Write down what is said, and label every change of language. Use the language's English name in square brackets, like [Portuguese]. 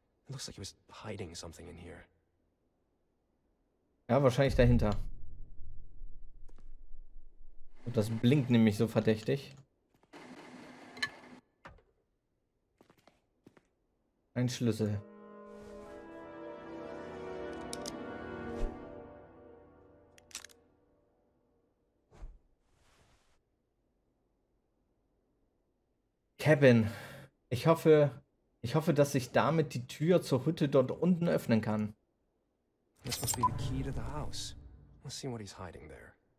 [English] It looks like he was hiding something in here. [German] Ja, wahrscheinlich dahinter. Und das blinkt nämlich so verdächtig. Ein Schlüssel. Kevin, ich hoffe, dass ich damit die Tür zur Hütte dort unten öffnen kann. [English] This must be the key to the house. Let's see what he's hiding there.